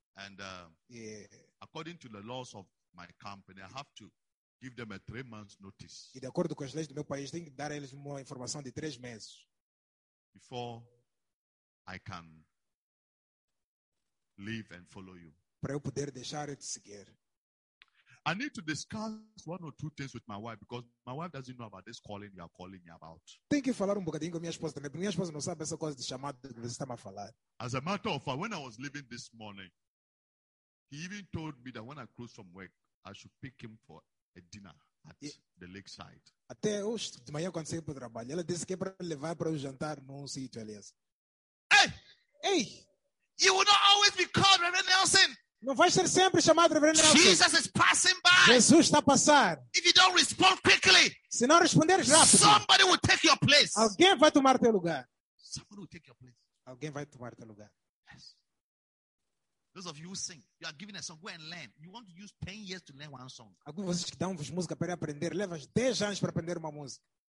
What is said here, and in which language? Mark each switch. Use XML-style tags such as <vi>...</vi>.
<en>And according to the laws of my company, I have to give them a 3 months notice.</en> <pt>E de acordo com as leis do meu país, tenho que dar a eles uma informação de 3 meses.</pt> <en>Before I can leave and follow you.</en> <pt>Para eu poder deixar de te seguir.</pt> <en>I need to discuss one or two things with my wife because my wife doesn't know about this calling you are calling me about.</en> <pt>Tem que falar bocadinho com minha esposa também, porque minha esposa não sabe essa coisa de chamada que você está a falar.</pt> <en>As a matter of fact, when I was leaving this morning, he even told me that when I close from work, I should pick him for a dinner at the lakeside.</en> <pt>Até hoje, de manhã, quando saí para o trabalho, ela disse que é para levar para o jantar num sítio ali.</pt> <en>Hey! You will not always be called Reverend Nelson.</en> <pt>Não vai ser sempre chamado Reverend Nelson.</pt> <en>Jesus is passing by.</en> <pt>Jesus está a passar.</pt> <en>If you don't respond quickly,</en> <pt>se não responderes rápido,</pt> <en>somebody will take your place.</en> <pt>Alguém vai tomar teu lugar.</pt> <en>Somebody will take your place.</en> <pt>Alguém vai tomar teu lugar.</pt> <en>Yes. Those of you who sing, you are giving a song. Go and learn. You want to use 10 years to learn one song.</en> <pt>Alguns de vocês que dão-vos música para aprender, levas 10 anos para aprender uma música.</pt>